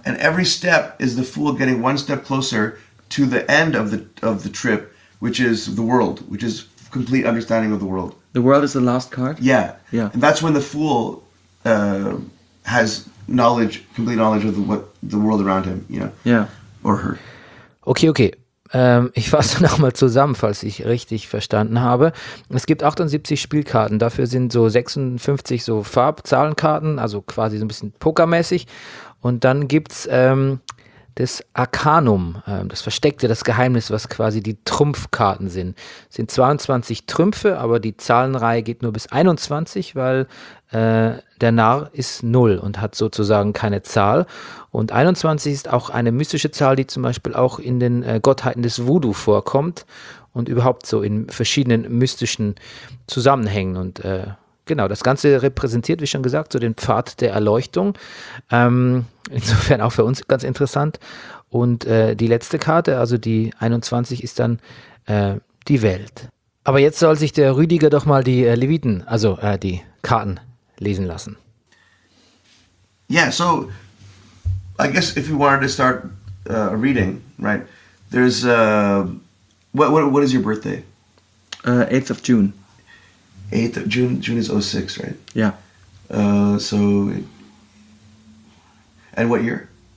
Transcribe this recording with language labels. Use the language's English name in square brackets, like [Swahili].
[English] And every step is the Fool getting one step closer to the end of the trip, which is the world, which is complete understanding of the world. The world is the last card? Yeah. Yeah. And that's when the Fool, has knowledge, complete knowledge of what the world around him, you know. Yeah. Or her. Okay, okay. [German] Ich fasse nochmal zusammen, falls ich richtig verstanden habe. Es gibt 78 Spielkarten, dafür sind so 56 so Farbzahlenkarten, also quasi so ein bisschen pokermäßig. Und dann gibt's das Arcanum, das Versteckte, das Geheimnis, was quasi die Trumpfkarten sind. Es sind 22 Trümpfe, aber die Zahlenreihe geht nur bis 21, weil der Narr ist 0 und hat sozusagen keine Zahl. Und 21 ist auch eine mystische Zahl, die zum Beispiel auch in den Gottheiten des Voodoo vorkommt und überhaupt so in verschiedenen mystischen Zusammenhängen. Und Genau, das Ganze repräsentiert, wie schon gesagt, so den Pfad der Erleuchtung. Insofern auch für uns ganz interessant. Und die letzte Karte, also die 21, ist dann die Welt. Aber jetzt soll sich der Rüdiger doch mal die Leviten, also die Karten lesen lassen. [English] Yeah, so I guess if you wanted to start a reading, right, there's, what is your birthday? 8th of June. 8th of June, June is 06, right? Yeah. And what year?